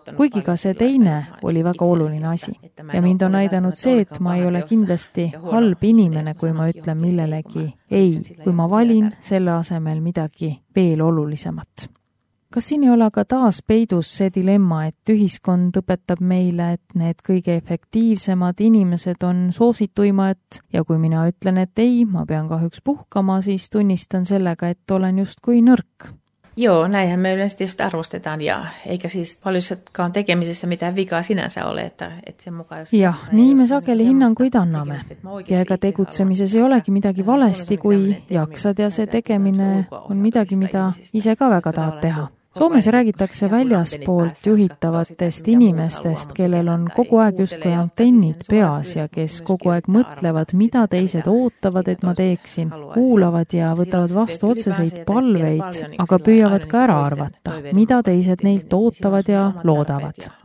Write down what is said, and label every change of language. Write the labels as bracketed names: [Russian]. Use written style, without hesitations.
[Estonian] Kuigi ka see teine oli väga oluline asi. Ja mind on aidanud see, et ma ei ole kindlasti halb inimene, kui ma ütlen millelegi ei, kui ma valin selle asemel midagi veel olulisemat. Kas siin ei ole aga taas peidus see dilemma, et ühiskond õpetab meile, et need kõige efektiivsemad inimesed on soosituimad ja kui mina ütlen, et ei, ma pean kahjuks puhkama, siis tunnistan sellega, et olen just kui nõrk. [Finnish] Joo, näinhän me yleensä tietysti arvostetaan ja eikä siis paljussakaan tekemisessä mitään vikaa sinänsä ole, että sen mukaan... [Estonian] Ja niin me sageli hinnanguid anname. Ja ega tegutsemises ei olegi midagi valesti, kui jaksad ja see tegemine on midagi, mida ise ka väga tahad teha. Soomes räägitakse väljaspoolt juhitavatest inimestest, kellel on kogu aeg justkui antennid peas ja kes kogu aeg mõtlevad, mida teised ootavad, et ma teeksin, kuulavad ja võtavad vastu otseseid palveid, aga püüavad ka ära arvata, mida teised neilt ootavad ja loodavad.